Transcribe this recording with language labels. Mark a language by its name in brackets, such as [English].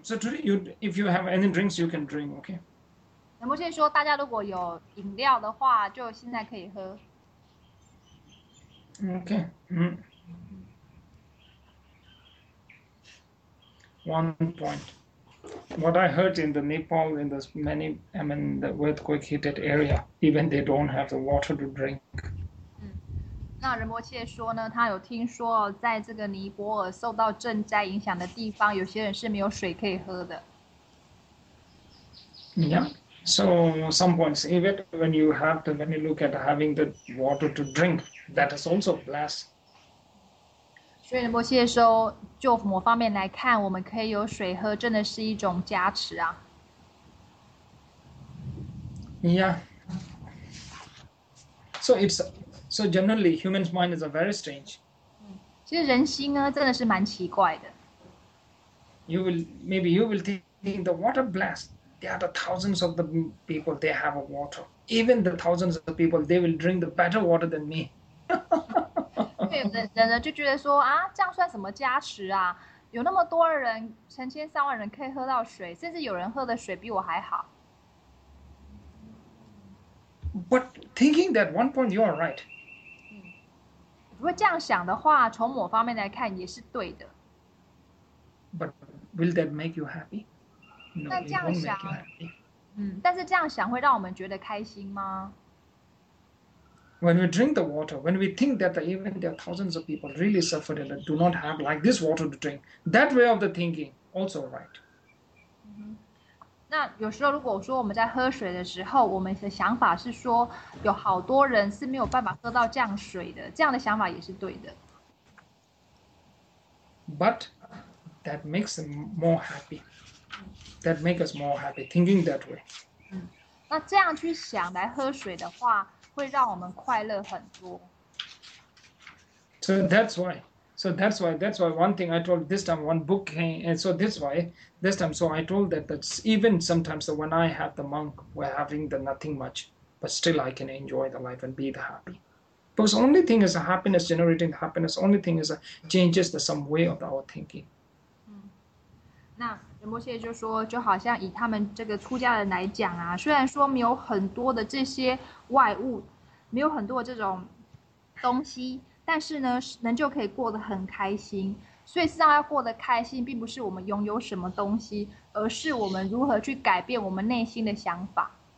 [English] So today, you, if you have any drinks, you can drink. Okay. [Chinese] 仁波切说，大家如果有饮料的话，就现在可以喝。 [English] Okay. One point. What I heard in the Nepal, in the many, I mean, the earthquake hit area, even they don't have the water to drink. [Chinese] 那仁波切说呢，他有听说，在这个尼泊尔受到震灾影响的地方，有些人是没有水可以喝的。 [English] Yeah. So some points, even when you have to, when you look at having the water to drink, that is also blessed. [Chinese] 所以仁波切说，就某方面来看，我们可以有水喝，真的是一种加持啊。 [English] Yeah. So it's, so generally, human's mind is a very strange. [Chinese] 其实人心呢，真的是蛮奇怪的。 [English] You will, maybe you will think the water blessed. There are the thousands of the people, they have a water. Even the thousands of people, they will drink the better water than me. [Chinese] 对，人人就觉得说啊，这样算什么加持啊？有那么多人，成千上万人可以喝到水，甚至有人喝的水比我还好。 [English] But thinking that one point, you are right. [Chinese] 如果这样想的话，从某方面来看也是对的。 [English] But will that make you happy? No, [Chinese] 但这样想，但是这样想会让我们觉得开心吗？ [English] When we drink the water, when we think that the, even there are thousands of people really suffered and do not have like this water to drink, that way of the thinking also right. [Chinese] 那有时候如果说我们在喝水的时候，我们的想法是说有好多人是没有办法喝到这样水的，这样的想法也是对的。 [English] But that makes them more happy. That makes us more happy thinking that way. [Chinese] 那这样去想来喝水的话。会让我们快乐很多。 [English] So that's why, so that's why, that's why one thing I told this time, one book came, and so this why, this time, so I told that that's even sometimes when I have the monk, we're having the nothing much, but still I can enjoy the life and be the happy. Because only thing is a happiness, generating happiness, only thing is a changes the some way of our thinking. [Chinese] 那仁波切就说，就好像以他们这个出家人来讲啊，虽然说没有很多的这些外物，没有很多这种东西，但是呢，人就可以过得很开心。所以，实际上要过得开心，并不是我们拥有什么东西，而是我们如何去改变我们内心的想法。